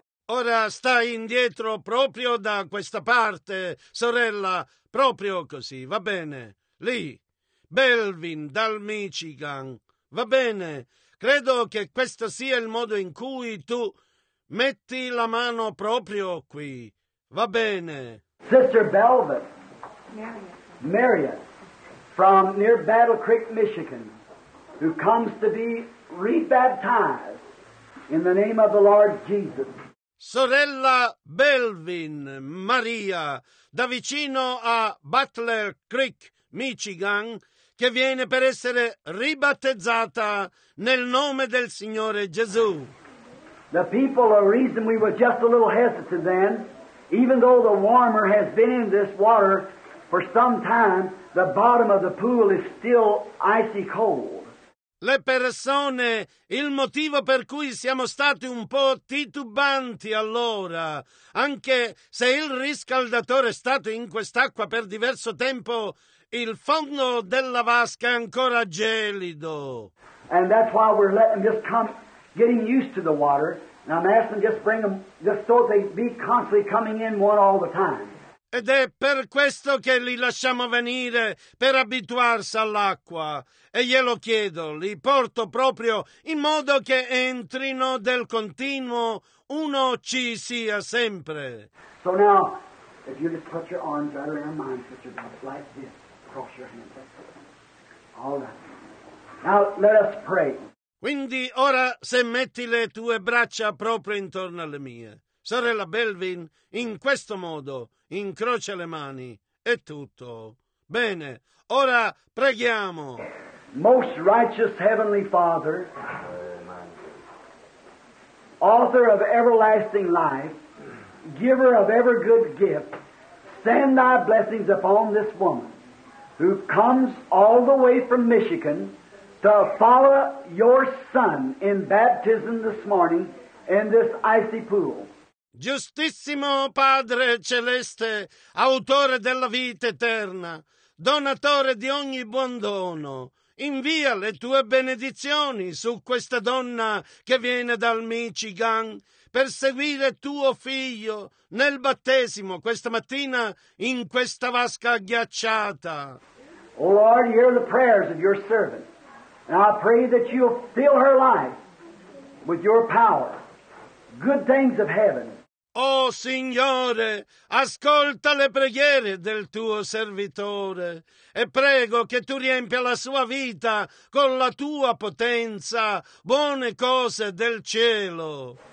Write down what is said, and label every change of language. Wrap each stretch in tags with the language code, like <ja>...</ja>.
<it>Ora stai indietro proprio da questa parte, sorella, proprio così, va bene. Lì, Belvin, dal Michigan, va bene. Credo che questo sia il modo in cui tu metti la mano proprio qui, va bene.</it> <en>Sister Belvin, Marriott, from near Battle Creek, Michigan, who comes to be rebaptized in the name of the Lord Jesus.</en> <it>Sorella Belvin, Maria, da vicino a Butler Creek, Michigan, che viene per essere ribattezzata nel nome del Signore Gesù.</it> <en>The people, the reason we were just a little hesitant then, even though the warmer has been in this water for some time, the bottom of the pool is still icy cold.</en> <it>Le persone, il motivo per cui siamo stati un po' titubanti allora, anche se il riscaldatore è stato in quest'acqua per diverso tempo, il fondo della vasca è ancora gelido.</it> <en>And that's why we're letting them just come, getting used to the water. And I'm asking them just bring them, just so they be constantly coming in one all the time.</en> <it>Ed è per questo che li lasciamo venire, per abituarsi all'acqua. E glielo chiedo, li porto proprio in modo che entrino del continuo, uno ci sia sempre.</it> <en>So now, if you just put your arms right around mine, put your arms like this, cross your hands. All right. Now, let us pray.</en> <it>Quindi ora, se metti le tue braccia proprio intorno alle mie. Sorella Belvin, in questo modo, incrocia le mani, è tutto. Bene, ora preghiamo.</it> <en>Most righteous Heavenly Father, author of everlasting life, giver of every good gift, send thy blessings upon this woman who comes all the way from Michigan to follow your son in baptism this morning in this icy pool.</en> <it>Giustissimo Padre Celeste, autore della vita eterna, donatore di ogni buon dono, invia le tue benedizioni su questa donna che viene dal Michigan per seguire tuo figlio nel battesimo questa mattina in questa vasca ghiacciata.</it> <en>O Lord, hear the prayers of your servant, and I pray that you'll fill her life with your power, good things of heaven.</en> <it>Oh Signore, ascolta le preghiere del tuo servitore e prego che tu riempia la sua vita con la tua potenza, buone cose del cielo.</it>